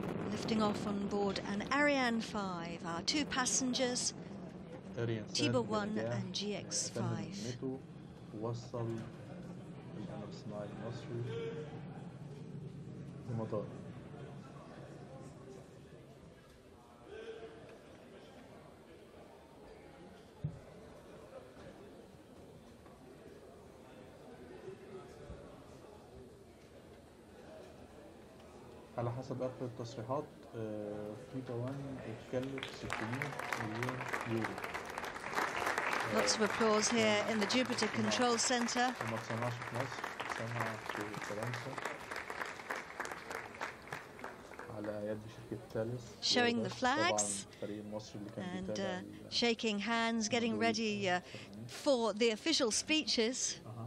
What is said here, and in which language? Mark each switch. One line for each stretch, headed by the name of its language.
English: Lifting off on board an Ariane 5, our two passengers, Tiba 1 and GX5.
Arabic: وصل القمر الصناعي المصري المطار. على حسب آخر التصريحات طيبة 1 اتكلف 600 مليون يورو.
English: Lots of applause here in the Jupiter Control Center.
Arabic: وما تسمعش في مصر، تسمع في فرنسا. على يد شركة تالس.
English: Showing the flags.
Arabic: طبعا الفريق المصري اللي كان بيتابع.
English: And shaking hands, getting ready for the official speeches.